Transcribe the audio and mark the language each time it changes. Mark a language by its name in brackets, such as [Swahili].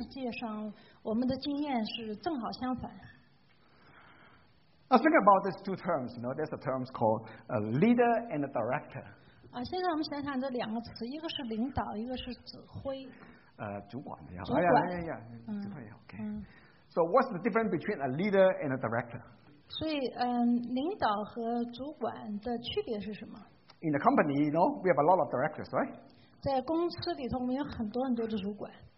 [Chinese] 所以你可以看出这是和世界上我们的经验是正好相反。 [English] Now think about these two terms, you know, there's a term called a leader and a director. [Chinese] 现在我们想想这两个词，一个是领导，一个是指挥。主管的呀。主管。 [English] So what's the difference between a leader and a director? [Chinese] 所以领导和主管的区别是什么？ [English] In the company, you know, we have a lot of directors, right? [Chinese] 在公司里头我们有很多很多的主管。